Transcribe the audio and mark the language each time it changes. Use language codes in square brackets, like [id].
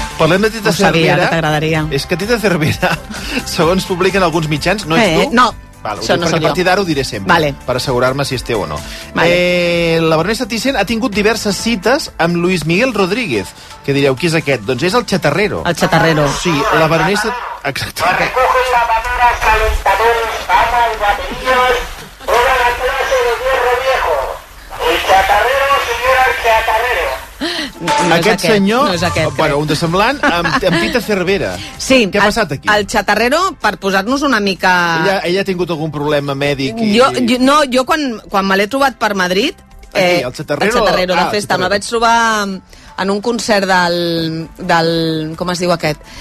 [ca] Parlem de Tita Cervera. Que t'agradaria. És que Tita Cervera, segons publiquen alguns mitjans, no ets tu? No. Perquè a partir d'ara ho diré sempre, vale. Per assegurar-me si és teu o no. Vale. La Vanessa Thyssen ha tingut diverses cites amb Luis Miguel Rodríguez. Que direu, qui és aquest? Doncs és el Chatarrero. El Chatarrero. Sí, la Vanessa... Exacte. Okay. [es] Recoge lavadoras, calentadores, amas, batidillos, toda la clase de hierro viejo. El Chatarrero, señor, el Chatarrero. [ca] No és aquest, bueno, un de semblant amb Tita Cervera. Sí. Què ha passat aquí? El Chatarrero, per posar-nos una mica... Ella ha tingut algun problema mèdic i... Jo quan me l'he trobat per Madrid... Aquí, el Chatarrero? El Chatarrero, de festa. Me'l vaig trobar en un concert del... Com es diu aquest?